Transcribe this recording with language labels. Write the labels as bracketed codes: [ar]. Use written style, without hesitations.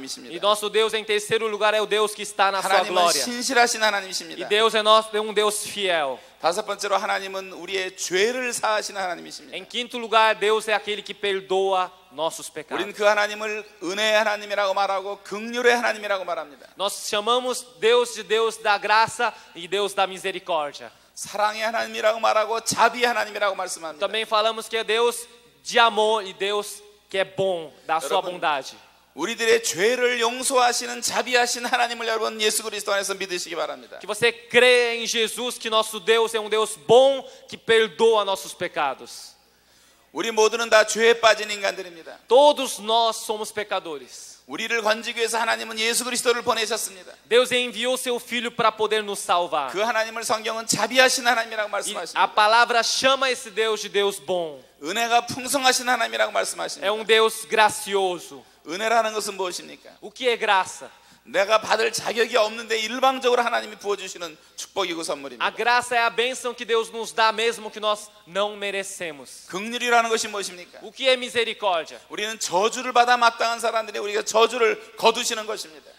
[pt] E nosso Deus em terceiro lugar é o Deus que está na sua glória. E Deus é um Deus fiel. [ko] 다섯 번째로 하나님은 우리의 죄를 사하시는 하나님이십니다. [pt] Em quinto lugar, Deus é aquele que perdoa nossos pecados. [ko] 우리는 그 하나님을 은혜의 하나님이라고 말하고 긍휼의 하나님이라고 말합니다. [pt] Nós chamamos Deus de Deus da graça e Deus da misericórdia. [ko] 사랑의 하나님이라고 말하고 자비의 하나님이라고 말씀합니다. [pt] Também falamos que é Deus de amor e Deus que é bom, da sua bondade. [ko] 우리들의 죄를 용서하시는 자비하신 하나님을 여러분 예수 그리스도 안에서 믿으시기 바랍니다. [pt] Que você crê em Jesus, que nosso Deus é um Deus bom que perdoa nossos pecados. [ko] 우리 모두는 다 죄에 빠진 인간들입니다. [pt] Todos nós somos pecadores. [ko] 우리를 건지기 위해서 하나님은 예수 그리스도를 보내셨습니다. [pt] Deus enviou seu filho para poder nos salvar. [ko] 그 하나님을 성경은 자비하신 하나님이라고 말씀하십니다. [pt] A palavra chama esse Deus de Deus bom. [ko] 은혜가 풍성하신 하나님이라고 말씀하십니다. [pt] É um Deus gracioso. [ko] 은혜라는 것은 무엇입니까? [pt] O que é graça? [ko] 내가 받을 자격이 없는데 일방적으로 하나님이 부어주시는 축복이고 선물입니다. [pt] A graça é a bênção que Deus nos dá mesmo que nós não merecemos. [ko] 긍휼이라는 것이 무엇입니까? [pt] O que é misericórdia? [ko] 우리는 저주를 받아 마땅한 사람들이 우리가 저주를 거두시는 것입니다.